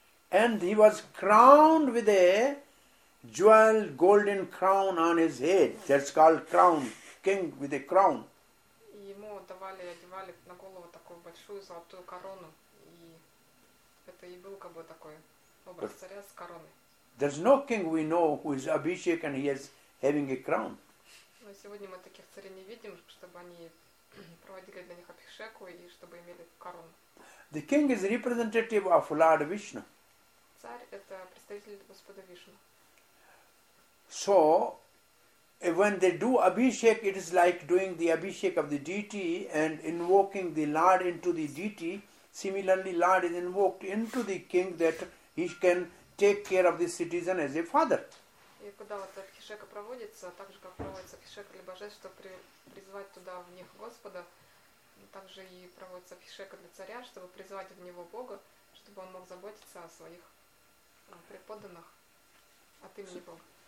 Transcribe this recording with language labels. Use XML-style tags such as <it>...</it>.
<en>And he was crowned with a jewel golden crown on his head. That's called crown. King with a crown.</en> <ru>Ему давали, одевали на голову такую большую золотую корону. И это и был как бы такой образ царя с короной.</ru> <en>There's no king we know who is Abhishek and he is having a crown.</en> <ru>Но сегодня мы таких царей не видим, чтобы они проводили для них Абхишеку и чтобы имели корону.</ru> <en>The king is representative of Lord Vishnu.</en> <ru>Царь это представитель Господа Вишну.</ru> <en>So, when they do Abhishek, it is like doing the Abhishek of the deity and invoking the Lord into the deity. Similarly, Lord is invoked into the king that he can take care of the citizen as a father.</en> <ru>И когда вот Абхишека проводится, так же как проводится Абхишек для божества, призвать туда в них Господа, также и проводится Абхишека для царя, чтобы призвать в него Бога, чтобы он мог заботиться о своих преподанных от имени Бога.</ru>